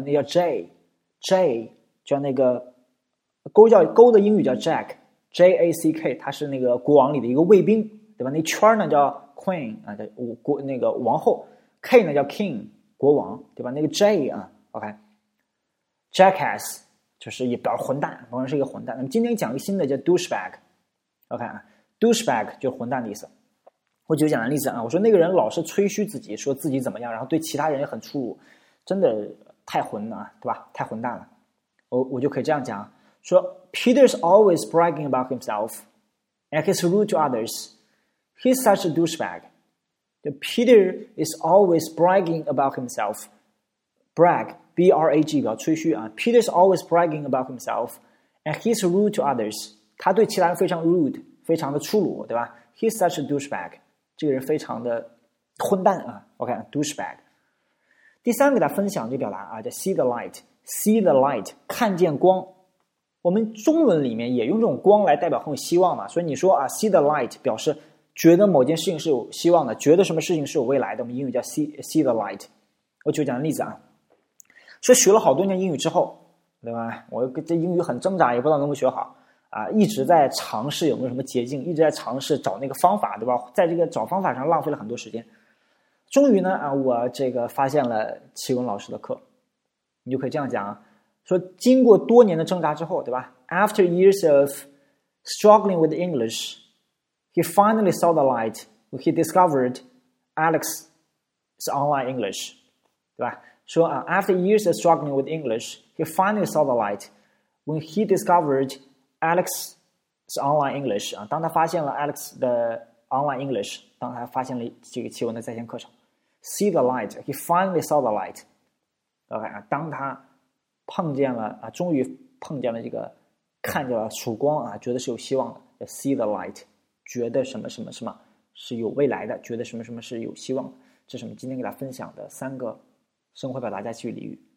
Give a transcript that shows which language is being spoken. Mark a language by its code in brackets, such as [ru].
[zh] 那叫 J， 叫那个勾叫勾的英语叫 Jack，J A C K， 它是那个国王里的一个卫兵，对吧？那圈呢叫 Queen 啊，叫那个王后 ，K 呢叫 King 国王，对吧？那个 J 啊 ，OK，Jackass、okay、就是也表示混蛋，本身是一个混蛋。那么今天讲一个新的叫 Douchebag。OK 啊 ，douchebag 就是混蛋的意思。我举个简单例子啊，我说那个人老是吹嘘自己，说自己怎么样，然后对其他人也很粗鲁，真的太混了，对吧？太混蛋了。我就可以这样讲，说 [en] Peter's always bragging about himself and he's rude to others. He's such a douchebag. Peter is always bragging about himself. [zh] Brag, B-R-A-G， 表吹嘘啊。 [en] Peter's always bragging about himself and he's rude to others. [zh] 他对其他人非常 rude， 非常的粗鲁，对吧 ？ [en] He's such a douchebag， [zh] 这个人非常的混蛋啊。OK，douchebag。第三个给大家分享这个表达啊，叫 [en] see the light， [zh] see the light， 看见光。我们中文里面也用这种光来代表很有希望嘛，所以你说啊 ， [en] see the light [zh] 表示觉得某件事情是有希望的，觉得什么事情是有未来的，我们英语叫 see the light。我就讲个例子啊，说学了好多年英语之后，对吧？我这英语很挣扎，也不知道能不能学好。啊，一直在尝试有没有什么捷径，一直在尝试找那个方法，对吧？在这个找方法上浪费了很多时间。终于呢，啊，我这个发现了齐文老师的课，你就可以这样讲，说经过多年的挣扎之后，对吧 ？ [en] After years of struggling with English, he finally saw the light when he discovered Alex's online English, [zh] 对吧？ [en] 说啊 ，After years of struggling with English, he finally saw the light when he discovered Alex's online English 啊，当他发现了 Alex 的 online English， [zh] 当他发现了这个齐文的在线课程 [en] ，see the light， he finally saw the light。 [zh] OK 啊，当他碰见了啊，终于碰见了这个看见了曙光啊，觉得是有希望的 ， [en] see the light， [zh] 觉得什么什么什么是有未来的，觉得什么什么是有希望的。这是我们今天给大家分享的三个生活表达加句俚语。